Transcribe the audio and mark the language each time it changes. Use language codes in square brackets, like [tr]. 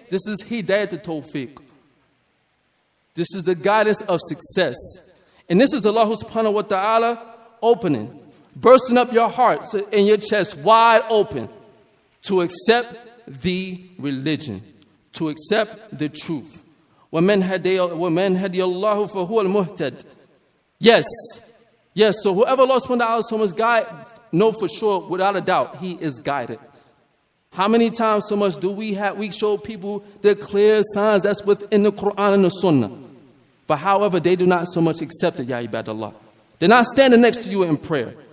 [en] This is hidayat al-tawfiq. This is the guidance of success. And this is Allah subhanahu wa ta'ala opening, bursting up your hearts and your chest wide open to accept the religion. To accept the truth. [ar] وَمَنْ هَدِيَ اللَّهُ فَهُوَ الْمُهْتَدِ Yes. [en] So whoever Allah subhanahu wa ta'ala so much guide, know for sure, without a doubt, he is guided. How many times so much do we show people the clear signs that's within the Quran and the Sunnah? But however, they do not so much accept it, ya ibadallah. They're not standing next to you in prayer.